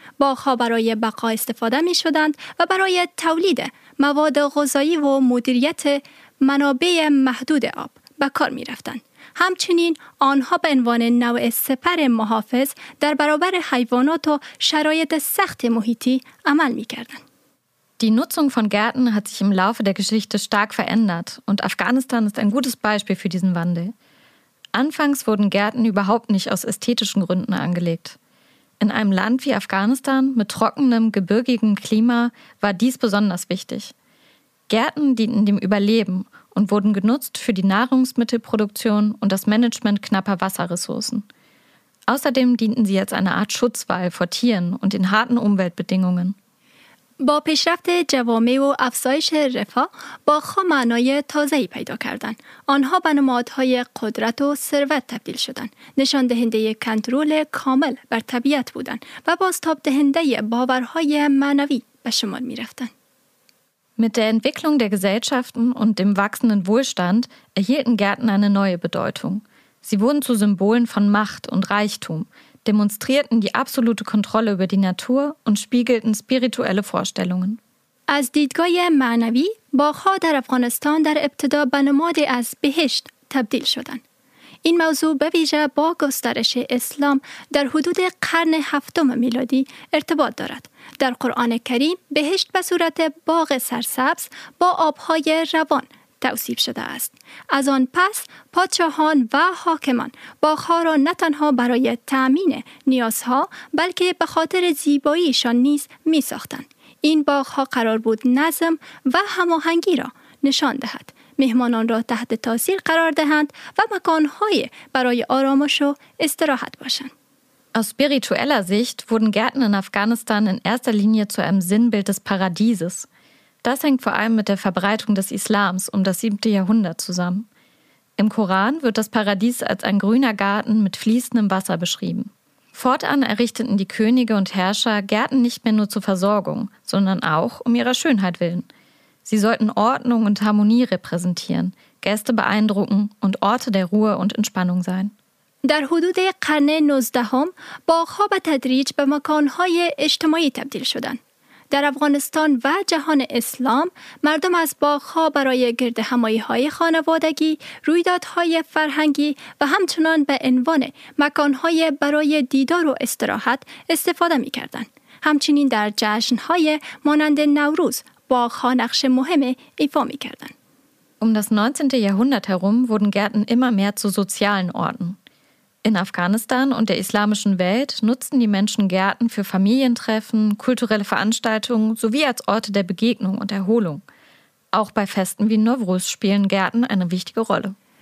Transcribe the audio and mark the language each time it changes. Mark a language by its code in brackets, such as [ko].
[fa] باغ‌ها برای بقا استفاده می‌شدند و برای تولید مواد غذایی و مدیریت منابع محدود آب به کار می‌رفتند. همچنین آنها به عنوان نوع سپر محافظ در برابر حیوانات و شرایط سخت محیطی عمل می کردن. [de] Die Nutzung von Gärten hat sich im Laufe der Geschichte stark verändert und Afghanistan ist ein gutes Beispiel für diesen Wandel. Anfangs wurden Gärten überhaupt nicht aus ästhetischen Gründen angelegt. In einem Land wie Afghanistan mit trockenem, gebirgigem Klima war dies besonders wichtig. Gärten dienten dem Überleben und wurden genutzt für die Nahrungsmittelproduktion und das Management knapper Wasserressourcen. Außerdem dienten sie als eine Art Schutzwall vor Tieren und den harten Umweltbedingungen. [fa] با پیشرفت جوامع و افزایش رفاه با خود معنای تازه‌ای پیدا کردند. آنها به نمادهای قدرت و ثروت تبدیل شدند. نشان دهنده کنترل کامل بر طبیعت بودند و بازتاب دهنده باورهای معنوی به شمار می‌رفتند. [de] Mit der Entwicklung der Gesellschaften und dem wachsenden Wohlstand erhielten Gärten eine neue Bedeutung. Sie wurden zu Symbolen von Macht und Reichtum. Demonstrierten die absolute Kontrolle über die Natur und spiegelten spirituelle Vorstellungen. [fa] Als دیدگاه معنوی باغ‌ها در افغانستان در ابتدا به نمادی از بهشت تبدیل شدند. این موضوع به ویژه با گسترش اسلام در حدود قرن هفتم میلادی ارتباط دارد. در قرآن کریم بهشت به صورت باغ سرسبز با آب‌های روان توصیف شده است. از آن پس پادشاهان و حاکمان باغ‌ها را نه تنها برای تأمین نیازها بلکه به خاطر زیباییشان نیز می‌ساختند. این باغ‌ها قرار بود نظم و هماهنگی را نشان دهد، مهمانان را تحت تأثیر قرار دهند و مکان‌های برای آرامش و استراحت باشند. [de] Aus spiritueller Sicht wurden Gärten in Afghanistan in erster Linie zu einem Sinnbild des Paradieses. Das hängt vor allem mit der Verbreitung des Islams um das 7. Jahrhundert zusammen. Im Koran wird das Paradies als ein grüner Garten mit fließendem Wasser beschrieben. Fortan errichteten die Könige und Herrscher Gärten nicht mehr nur zur Versorgung, sondern auch um ihrer Schönheit willen. Sie sollten Ordnung und Harmonie repräsentieren, Gäste beeindrucken und Orte der Ruhe und Entspannung sein. [fa] در حدود قرن 19 باغ‌ها به تدریج به مکان‌های اجتماعی تبدیل شدند. در افغانستان و جهان اسلام، مردم از باغ‌ها برای گرد همایی‌های خانوادگی، رویدادهای فرهنگی و همچنان به عنوان مکان‌های برای دیدار و استراحت استفاده می‌کردند. همچنین در جشن‌های مانند نوروز، باغ‌ها نقش مهمی ایفا می‌کردند. [de] Um das 19. Jahrhundert herum wurden Gärten immer mehr zu sozialen Orten. In Afghanistan und der islamischen Welt nutzten die Menschen Gärten für Familientreffen, kulturelle Veranstaltungen sowie als Orte der Begegnung und Erholung. Auch bei Festen wie Nowruz spielen Gärten eine wichtige Rolle.